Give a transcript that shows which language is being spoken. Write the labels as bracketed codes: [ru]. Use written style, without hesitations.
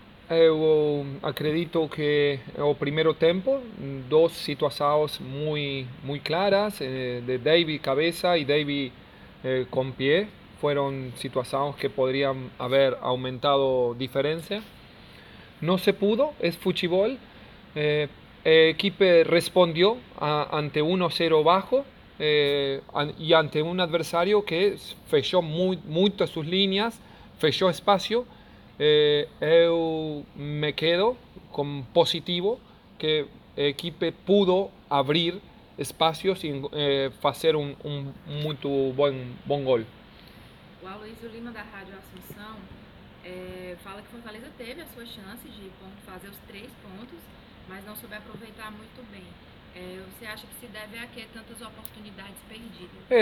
[pt] Eu acredito que o primeiro tempo, duas situações muito claras, de David cabeça e David com pé, foram situações que poderiam haver aumentado diferença. [es] No se pudo, es futebol. Equipe respondió ante 1-0 bajo y ante un adversario que fechó mucho sus líneas, fechó espacio. Yo me quedo con positivo que equipe pudo abrir espacios y hacer un muy buen gol. [pt] O Aloysio Lima, da Rádio Assunção, fala que Fortaleza teve a sua chance de fazer os 3 pontos, mas não soube aproveitar muito bem. Você acha que se deve a que tantas oportunidades perdidas?